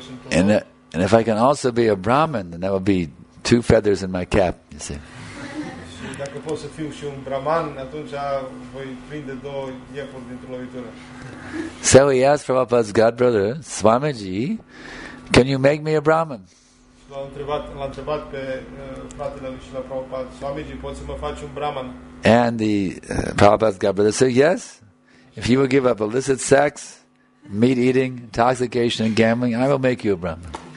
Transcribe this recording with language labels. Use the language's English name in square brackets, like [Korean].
[English] And if I can also be a Brahmin, then that would be two feathers in my cap, you see. [Romanian] Dacă pot să fiu și un Brahman, atunci voi prinde două iepuri dintr-o lovitură. [English] So he asked Prabhupada's godbrother, Swamiji, can you make me a Brahmin? And the Prabhupada's godbrother said, yes, if you will give up illicit sex, meat eating, intoxication, and gambling, I will make you a Brahmin.